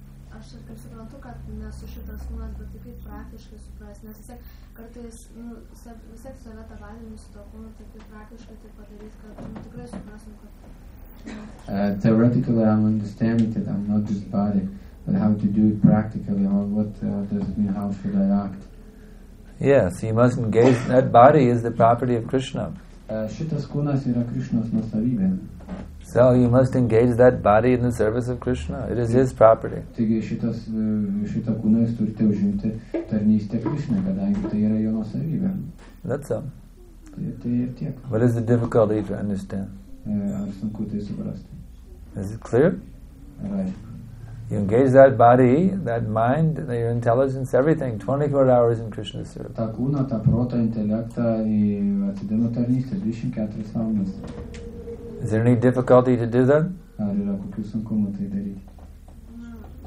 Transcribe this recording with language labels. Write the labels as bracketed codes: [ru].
[lt] Aš kaip suprantu, kad nesu šitas kūnas, bet tik kaip praktiškai suprasti, nes visiek kartais, nu, visiek save tą valymį su to kūnu, tai kaip praktiškai tai padaryti, kad nu, tikrai suprasim, kad... [en] Theoretically, I'm understanding that I'm not this body, but how to do it practically, or what does it mean, how should I act? Yes, you must engage, that body is the property of Krishna. [lt] Šitas kūnas yra Krishnos nuosavybė. [en] So you must engage that body in the service of Krishna. It is his property. [lt] Taigi šitą kūną jūs turite užimti tarnystę Krishna, kadangi tai yra jo nuosavybė. [en] That's all. [lt] Tai ir tiek. [en] What is the difficulty to understand? [lt] Ar sunku tai suprasti? [en] Is it clear? Right. You engage that body, that mind, your intelligence, everything, 24 hours in Krishna's service. [lt] Ta kūna, ta prota, intelektą ir atidėmo tarnystę 24 valandas. [en] Is there any difficulty to do that? [lt] Ar yra kokių sunkumų tai daryti?